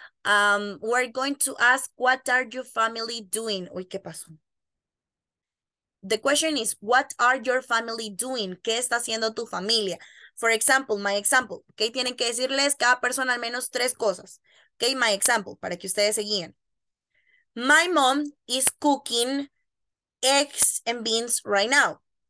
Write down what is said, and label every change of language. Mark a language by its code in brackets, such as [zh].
[en] We're going to ask, what are your family doing? [es] Uy, ¿qué pasó? [en] The question is, what are your family doing? [es] ¿Qué está haciendo tu familia? [en] For example, my example, [es] ¿ok? Tienen que decirles cada persona al menos tres cosas, ¿ok? [en] My example, [es] para que ustedes se guíen. [en] My mom is cooking eggs and beans right now.